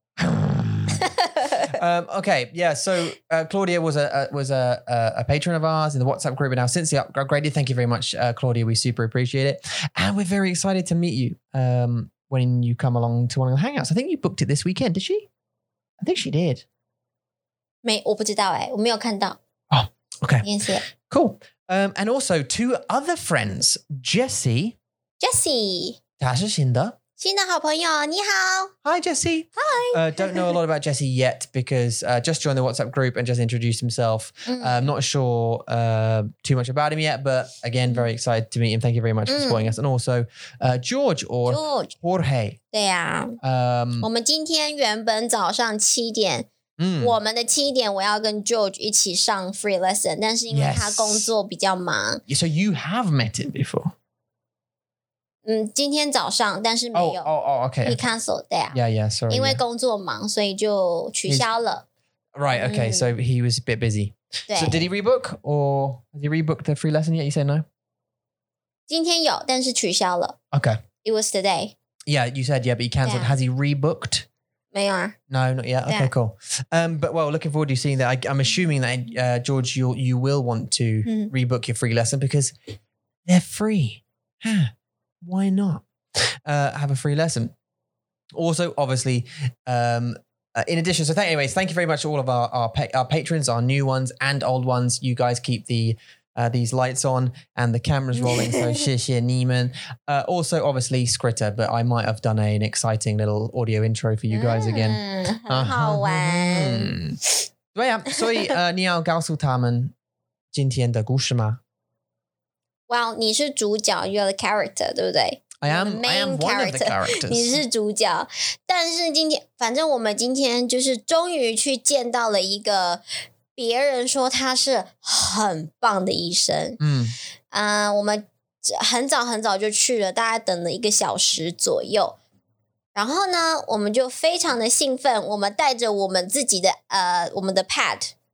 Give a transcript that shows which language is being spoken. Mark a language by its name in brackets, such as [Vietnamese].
[English] Okay, yeah, so Claudia was a patron of ours in the WhatsApp group, and now since the upgrade, thank you very much, Claudia, we super appreciate it. And we're very excited to meet you when you come along to one of the hangouts. I think you booked it this weekend, did she? I think she did. [Chinese] 没,我不知道耶,我没有看到. [English] Oh, okay. Cool. And also two other friends, Jessie. [Chinese] 她是新的. 新的好朋友,你好. [English] Hi, Jessie. Hi. Don't know a lot about Jessie yet because just joined the WhatsApp group and just introduced himself. Not sure too much about him yet, but again, very excited to meet him. Thank you very much for supporting us. And also George. Jorge. [Chinese] 对啊.我们今天原本早上七点 我们的七点我要跟George一起上 [English] free lesson [Chinese] 但是因为他工作比较忙 [English] yes. So you have met him before? [Chinese] 今天早上但是没有 [English] Oh, okay. He cancelled that. Yeah, yeah, sorry. [Chinese] 因为工作忙所以就取消了 [English] Right, okay, so he was a bit busy. So did he rebook or has he rebooked the free lesson yet? You said no? [Chinese] 今天有但是取消了 [English] Okay. It was today. Yeah, you said yeah, but he cancelled. Has he rebooked? [Chinese] 没有啊。 [English] No, not yet. Okay, cool. But well, looking forward to seeing that. I'm assuming that George, you will want to rebook your free lesson because they're free. Huh. Why not have a free lesson? Also, obviously, in addition, thank you very much to all of our patrons, our new ones and old ones. You guys keep these lights on and the cameras rolling. So, [Chinese] 谢谢你们. [English] Also, obviously, Skritter, but I might have done an exciting little audio intro for you guys again. [Chinese] 很好玩. 对啊,所以, 你要告诉他们今天的故事吗? [English] Well, [Chinese] 你是主角, [English] you're the character, [Chinese] 对不对? [English] I am one character. Of the characters. [Chinese] 你是主角, 但是今天, 反正我们今天就是终于去见到了一个 别人说他是很棒的医生 我们很早很早就去了 大概等了一个小时左右 然后呢 我们就非常的兴奋 我们带着我们自己的 我们的pad